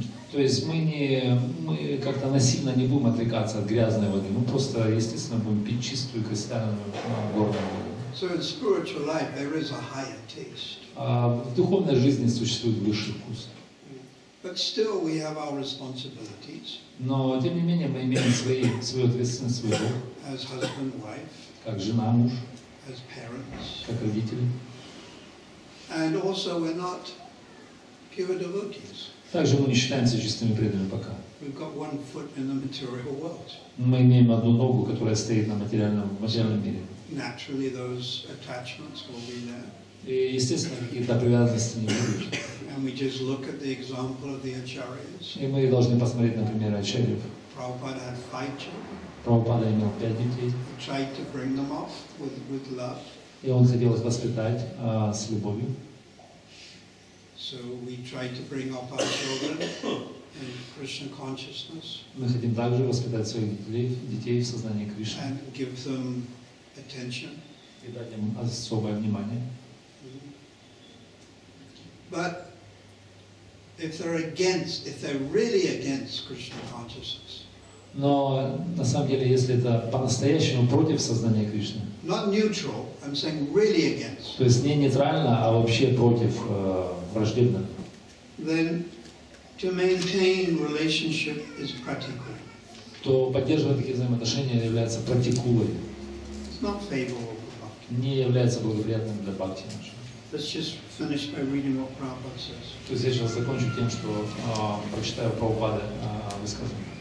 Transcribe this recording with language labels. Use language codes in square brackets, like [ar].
[ru] То есть мы как-то насильно не будем отрекаться от грязной воды, мы просто, естественно, будем пить чистую кристальную горную воду. [en] So in spiritual life there is a higher taste. [ru] В духовной жизни существует высший вкус. [en] But still we have our responsibilities. [ru] Но тем не менее мы имеем свою ответственность, свой долг. [en] As husband, wife. [ru] Как жена, муж. [en] As parents. [ru] Как родители. [en] And also we're not pure devotees. [ru] Также мы не считаемся чистыми преданными пока. [en] We've got one foot in the material world. [ru] Мы имеем одну ногу, которая стоит на материальном мире. [en] Naturally, those attachments will be there. [ru] И, естественно, какие-то привязанности не будут. [en] And we just look at the example of the acharyas. [ru] И мы должны посмотреть, например, ачарьев. [en] Prabhupada had five children. [ru] Prabhupada имел 5 детей. [en] He tried to bring them up with love. [ru] И он хотел их воспитать с любовью. [en] So we try to bring up our children in Krishna consciousness. [ru] Мы хотим также воспитать своих детей в сознании Кришны. [en] And give them attention. [ru] И дать им особое внимание. [en] But if they're against, if they're really against Krishna consciousness. [ru] Но на самом деле, если это по-настоящему против сознания Кришны. [en] Not neutral. I'm saying really against. [ru] То есть не нейтрально, а вообще против, враждебно. [en] Then to maintain relationship is pratikula. [ru] То поддерживать такие взаимоотношения является пратикулой. [en] It's not favorable for bhakti. [ru] Не является благоприятным для бхакти. [en] Let's just finish by reading what Prabhupada says. [ru] То есть я сейчас закончу тем, что прочитаю Прабхупада высказывание.